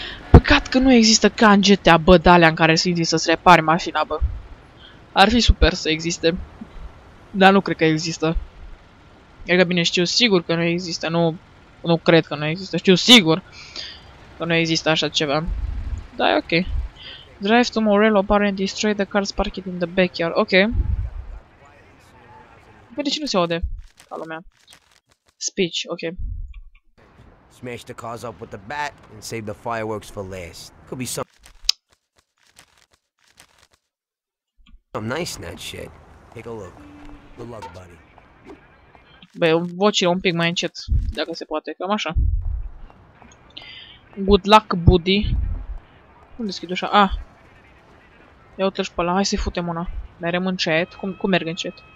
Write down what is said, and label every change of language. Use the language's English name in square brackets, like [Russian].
[Romanian] Păcat că nu există ca în GTA, bă, d-alea în care simți să-ți repari mașina, bă. Ar fi super să existe. Dar nu cred că există. Cred că bine știu sigur că nu există, nu cred că nu există, știu sigur că nu există așa ceva. Da, e ok. [English] Drive to Morello Bar and destroy the cars parked in the backyard. Ok. [Romanian] Păi de ce nu se aude? Ca lumea. Speech, ok. [English] Smash the cars up with the bat and save the fireworks for last. Could be some nice in that shit. Take a look. Good luck, buddy. [Romanian] Bă, vocile un pic mai încet, dacă se poate, cam așa. [English] Good luck, buddy. [Romanian] Cum deschid ușa? Ah. Ia uite-l și pe ăla, hai să-i futem una. Merem încet. Cum merg încet?